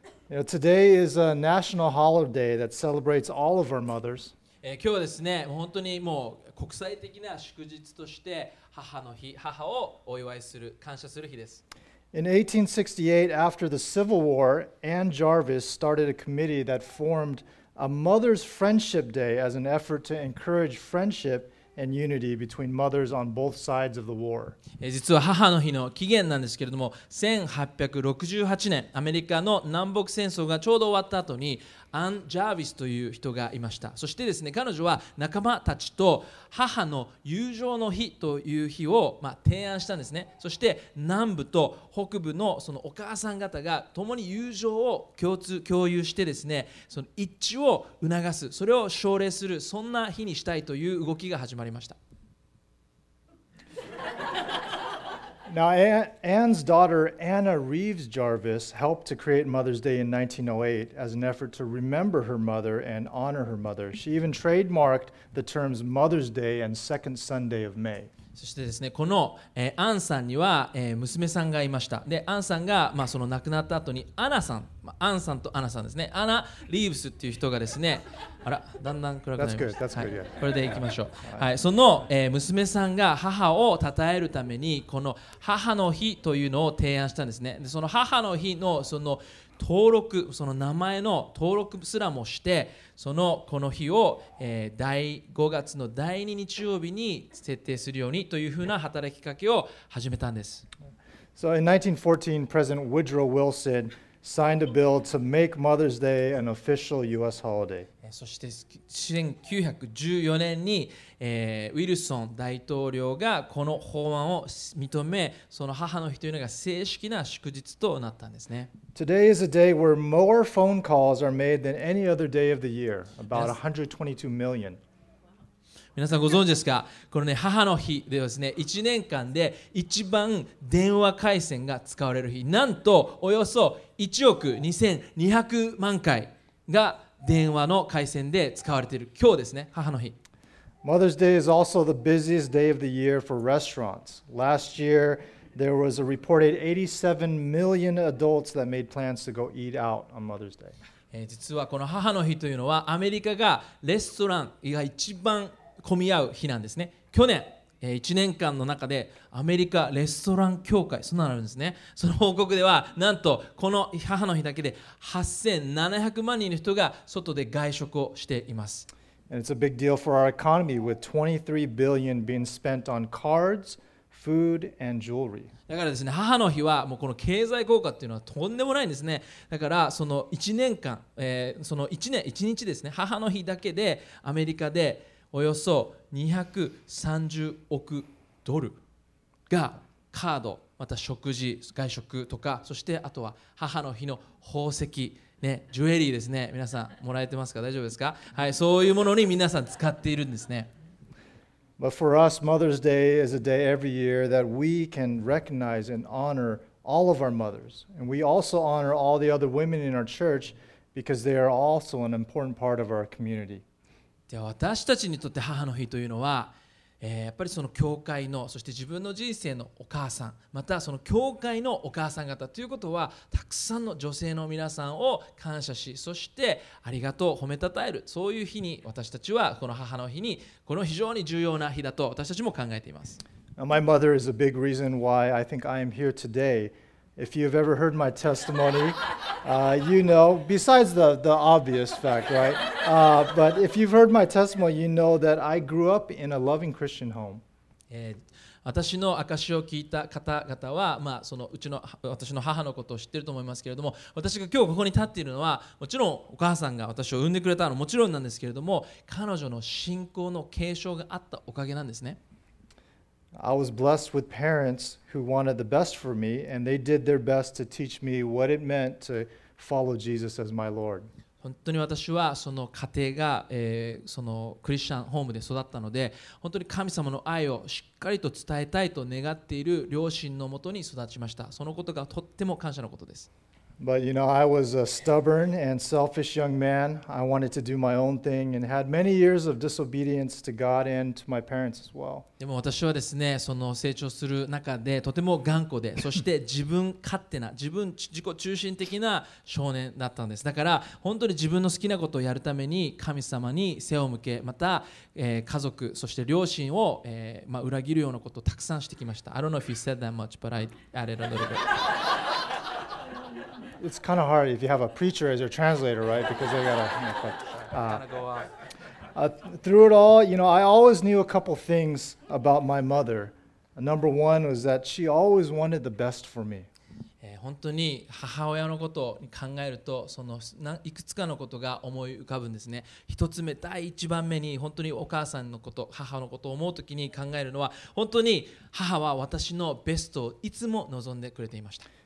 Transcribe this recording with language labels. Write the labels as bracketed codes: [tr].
[en] You know, today is a national holiday that celebrates all of our mothers. [ja] 今日はですね、本当にもう国際的な祝日として母の日、母をお祝いする、感謝する日です。 [en] In 1868, after the Civil War, Ann Jarvis started a committee that formed a Mother's Friendship Day as an effort to encourage friendship. And unity between mothers on both sides of the war. [ja] 実は母の日の起源なんですけれども、1868年、アメリカの南北戦争がちょうど終わった後に、アン・ジャービスという人がいました。そしてですね、彼女は仲間たちと母の友情の日という日を、まあ、提案したんですね。そして南部と北部のそのお母さん方が共に友情を共有してですね、その一致を促す、それを奨励する、そんな日にしたいという動きが始まりました。 [en] Now, Anne's daughter, Anna Reeves Jarvis, helped to create Mother's Day in 1908 as an effort to remember her mother and honor her mother. She even trademarked the terms Mother's Day and Second Sunday of May. [ja] そしてですね、この、アンさんには、娘さんがいました。で、アンさんが、まあ、その亡くなった後に、アナさん、まあ、アンさんとアナさんですね、アナ・リーブスっていう人がですね、あら、だんだん暗くなりました。 [en] That's good. That's good. Yeah. [ja] これでいきましょう。はい、その、娘さんが母を称えるために、この母の日というのを提案したんですね。で、その母の日のその登録、その名前の登録すらもして、そのこの日を、第5月の第2日曜日に設定するようにというふうな働きかけを始めたんです。 [en] So in 1914, President Woodrow Wilson signed a bill to make Mother's Day an official U.S. holiday. [ja] そして1914年に、ウィルソン大統領がこの法案を認め、その母の日というのが正式な祝日となったんですね。 [en] Today is a day where more phone calls are made than any other day of the year, about 122 million. [ja] 皆さんご存知ですか？このね、母の日ではですね、1年間で一番電話回線が使われる日、なんとおよそ1億2200万回が電話の回線で使われている今日ですね、母の日。 [en] Mother's Day is also the busiest day of the year for restaurants. Last year, there was a reported 87 million adults that made plans to go eat out on Mother's Day. [ja] 実はこの母の日というのはアメリカがレストランが一番混み合う日なんですね。去年1年間の中でアメリカレストラン協会、そんなのあるんですね。その報告ではなんとこの母の日だけで8700万人の人が外で外食をしています。 [en] And it's a big deal for our economy with $23 billion being spent on cards, food, and jewelry. [ja] だからですね、母の日はもうこの経済効果っていうのはとんでもないんですね。だからその1年間、その1年、1日ですね、母の日だけでアメリカでおよそ230億ドルがカード、また食事、外食とか、そしてあとは母の日の宝石、ね、ジュエリーですね。皆さんもらえてますか？大丈夫ですか？はい、そういうものに皆さん使っているんですね。 [en] But for us, Mother's Day is a day every year that we can recognize and honor all of our mothers. And we also honor all the other women in our church because they are also an important part of our community. [ja] 私たちにとって母の日というのは、やっぱりその教会の、そして自分の人生のお母さん、またその教会のお母さん方ということは、たくさんの女性の皆さんを感謝し、そしてありがとう、褒めたたえる、そういう日に私たちはこの母の日に、この非常に重要な日だと私たちも考えています。 [en] Now, my mother is a big reason why I think I am here today. If you've ever heard my testimony, you know, besides the obvious fact, right? But if you've heard my testimony, you know that I grew up in a loving Christian home. [ja] 私の証を聞いた方々は、まあ、そのうちの私の母のことを知っていると思いますけれども、私が今日ここに立っているのは、もちろんお母さんが私を産んでくれたのもちろんなんですけれども、彼女の信仰の継承があったおかげなんですね。 [en] I was blessed with parents who wanted the best for me, and they did their best to teach me what it meant to follow Jesus as my Lord. [ja] 本当に私はその家庭が、そのクリスチャンホームで育ったので、本当に神様の愛をしっかりと伝えたいと願っている両親のもとに育ちました。そのことがとっても感謝のことです。 [en] But you know, I was a stubborn and selfish young man. I wanted to do my own thing and had many years of disobedience to God and to my parents as well. [ja] でも私はですね、その成長する中でとても頑固で、そして自分勝手な、自己中心的な少年だったんです。だから本当に自分の好きなことをやるために神様に背を向け、また、家族、そして両親を、まあ、裏切るようなことをたくさんしてきました。 [en] I don't know if you said that much, but I added a little bit. It's kind of hard if you have a preacher as your translator, right? Because they gotta, you know, but, through it all, you know, I always knew a couple things about my mother. Number one was that she always wanted the best for me. [ja] 本当に母親のことに考えるとそのいくつかのことが思い浮かぶんですね。一つ目、第一番目に本当にお母さんのこと、母のことを思うときに考えるのは本当に母は私のベストをいつも望んでくれていました。